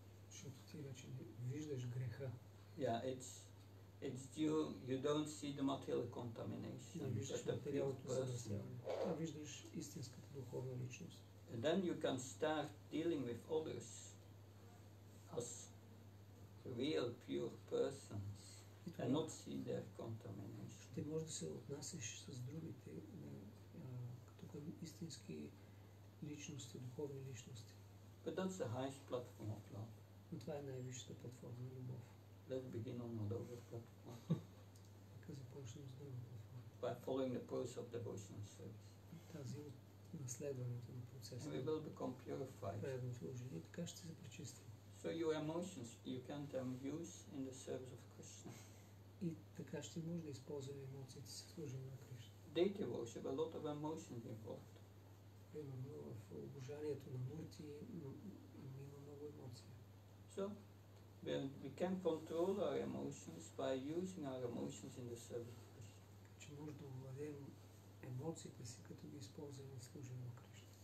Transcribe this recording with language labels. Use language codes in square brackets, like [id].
[bg] Защото ти вече не виждаш греха. [en] Yeah, it's due, you don't see the material contamination. [bg] Не виждаш материалното съдържание. А виждаш истинската духовна личност. [en] And then you can start dealing with others as real pure persons and not see their contamination. [bg] Ти може да се отнасяш с другите като към истински личности, духовни личности. [en] But that's the highest platform of love. [bg] Това е най-висшата платформа на любов. [en] Let's begin on another platform. [bg] Нека започнем с друга платформа. [en] By following the process of devotional service. [bg] Тази от наследването на процеса. [en] And we will become purified. [bg] Преданото служение, така ще се пречистим. [en] So your emotions you can use in the service of Krishna. [bg] И така ще може да използваме емоциите в служение на Кришна. [en] Deity worship, a lot of emotions involved. [bg] Примерно в обожанието на Мурти има много емоции. [en] So, we can control our emotions by using our emotions in the service of Krishna. [bg] Че може да овладеем емоциите си, като ги използваме в служение на Кришна.